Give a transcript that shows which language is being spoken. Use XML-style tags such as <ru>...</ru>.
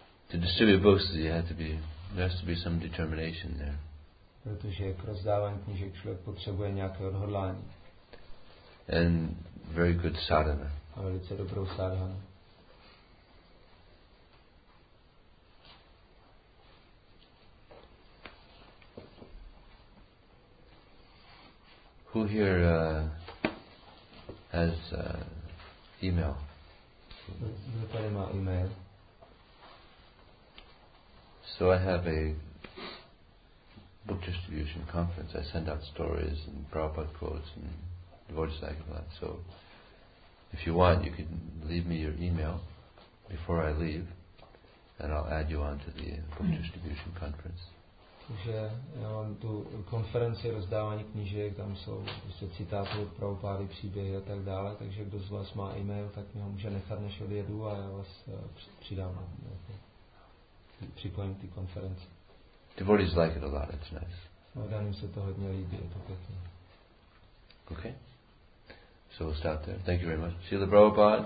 <en>To distribute books, there has to be some determination there.</en> <cs>Protože k rozdávání knížek člověk potřebuje nějaké odhodlání.</cs> <en>And very good sadhana.</en> <cs>A velice dobrou sadhanu.</cs> <en>Who here has email?</en> <cs>Kdo tady má email?</cs> <en>So I have a book distribution conference. I send out stories and Prabhupada quotes and devotee sagabat. So if you want, you can leave me your email before I leave and I'll add you on to the book distribution conference.</en> <cs>Takže já mám tu konferenci rozdávání knížek, tam jsou prostě citáty od Prabhupády, příběhy a tak dále, takže kdo z vás má email, tak mě ho může nechat, než odjedu a já vás přidám, připojím ty konferenci.</cs> <en>Devotees like it a lot, it's nice.</en> <cs>No, dá mi se to hodně líbí, je to pěkně.</cs> <en>Okay. So we'll start there. Thank you very much. Srila Prabhupada.</en>